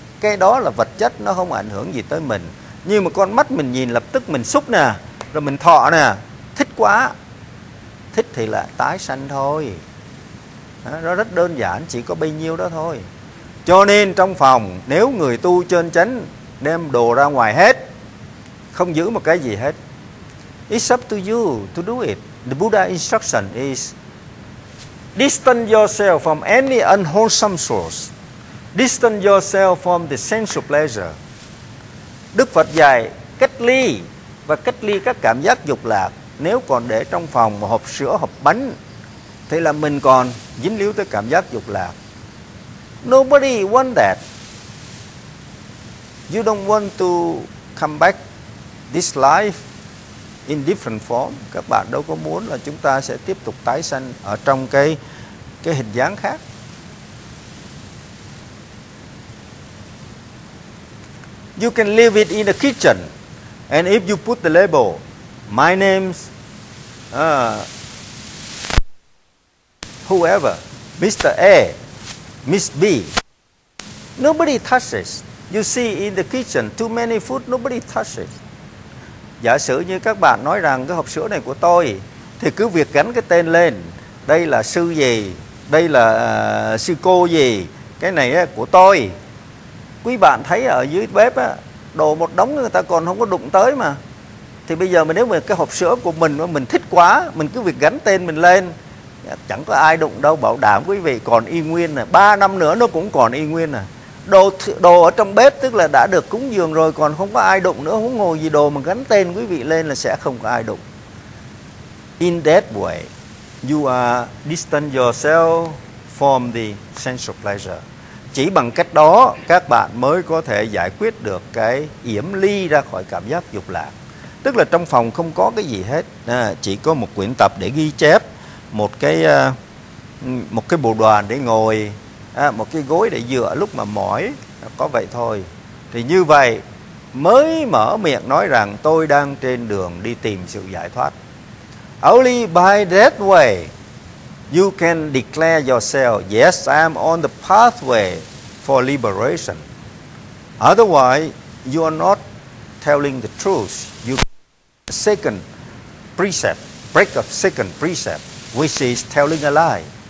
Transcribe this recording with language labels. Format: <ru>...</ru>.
<vi>Cái đó là vật chất, nó không ảnh hưởng gì tới mình. Nhưng mà con mắt mình nhìn lập tức mình xúc nè, rồi mình thọ nè, thích quá, thích thì là tái sanh thôi. Nó rất đơn giản, chỉ có bấy nhiêu đó thôi. Cho nên trong phòng, nếu người tu chân chánh đem đồ ra ngoài hết, không giữ một cái gì hết.</vi> <en>It's up to you to do it. The Buddha instruction is distance yourself from any unwholesome source. Distance yourself from the sensual pleasure.</en> <vi>Đức Phật dạy cách ly, và cách ly các cảm giác dục lạc. Nếu còn để trong phòng một hộp sữa, hộp bánh, thì là mình còn dính líu tới cảm giác dục lạc.</vi> <en>Nobody want that. You don't want to come back this life in different form.</en> <vi>Các bạn đâu có muốn là chúng ta sẽ tiếp tục tái sanh ở trong cái hình dáng khác.</vi> <en>You can leave it in the kitchen, and if you put the label, my name's whoever, Mr. A, Miss B, nobody touches. You see in the kitchen, too many food, nobody touches.</en> <vi>Giả sử như các bạn nói rằng cái hộp sữa này của tôi, thì cứ việc gắn cái tên lên, đây là sư gì, đây là sư cô gì, cái này của tôi. Quý bạn thấy ở dưới bếp á, đồ một đống người ta còn không có đụng tới mà. Thì bây giờ mà nếu mà cái hộp sữa của mình mà mình thích quá, mình cứ việc gắn tên mình lên, chẳng có ai đụng đâu, bảo đảm quý vị còn y nguyên nè. 3 năm nữa nó cũng còn y nguyên nè. Đồ ở trong bếp tức là đã được cúng dường rồi, còn không có ai đụng nữa, huống hồ gì đồ mà gắn tên quý vị lên là sẽ không có ai đụng.</vi> <en>In that way, you are distant yourself from the sensual pleasure.</en> <vi>Chỉ bằng cách đó các bạn mới có thể giải quyết được cái yểm ly ra khỏi cảm giác dục lạc. Tức là trong phòng không có cái gì hết, chỉ có một quyển tập để ghi chép, một cái bồ đoàn để ngồi, một cái gối để dựa lúc mà mỏi, có vậy thôi. Thì như vậy mới mở miệng nói rằng tôi đang trên đường đi tìm sự giải thoát.</vi> <en>Only by that way you can declare yourself, yes, I am on the pathway for liberation. Otherwise, you are not telling the truth. You second precept, break of second precept, which is telling a lie.</en>